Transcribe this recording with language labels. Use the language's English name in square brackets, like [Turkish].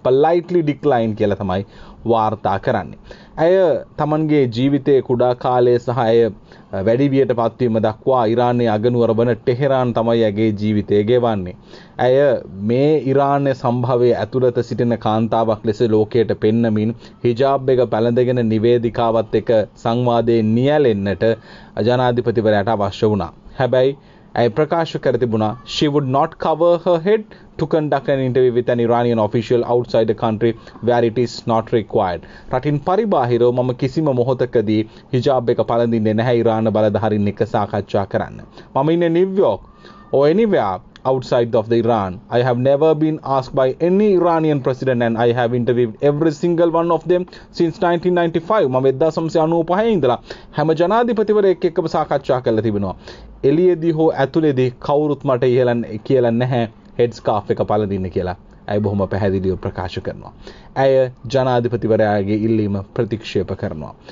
[Sinhala] පොලයිට්ලි ඩික්ලයින් කියලා තමයි වාර්තා කරන්නේ. ඇය තමන්ගේ ජීවිතයේ කුඩා කාලයේ සහ ඇය වැඩිවියට පත්වීම දක්වා ඉරානයේ අගනුවර වන ටෙහෙරාන් තමයි ඇගේ ජීවිතය ගෙවන්නේ. ඇය මේ ඉරානය සම්භවයේ ඇතුළත සිටින කාන්තාවක් ලෙස ලෝකයට පෙන්නමින් හිජාබ් එක පැලඳගෙන නිවේදිකාවත් එක්ක සංවාදයේ නියැලෙන්නට ජනාධිපතිවරයාට අවශ්‍ය වුණා. හැබැයි ඇය ප්‍රකාශ කර තිබුණා [English] she would not cover her head to conduct an interview with an Iranian official outside the country where it is not required. [Sinhala] රටින් පරිබාහිරව මම කිසිම මොහොතකදී හිජාබ් එක පළඳින්නේ නැහැ ඉරාන බලධාරීන් එක්ක සාකච්ඡා කරන්න. මම ඉන්නේ [English] New York or anywhere outside of the Iran. I have never been asked by any Iranian president and I have interviewed every single one of them since 1995. [Sinhala] මම 1995 ඉඳලා හැම ජනාධිපතිවරයෙක් එක්කම සාකච්ඡා කරලා තිබෙනවා. එළියේදී හෝ ඇතුළේදී කවුරුත් මට ඉහෙලන්නේ කියලා නැහැ හෙඩ් ස්කාෆ් එක පළඳින්න කියලා. ඇය බොහොම පැහැදිලිව ප්‍රකාශ කරනවා. ඇය ජනාධිපතිවරයාගේ ඉල්ලීම ප්‍රතික්ෂේප කරනවා.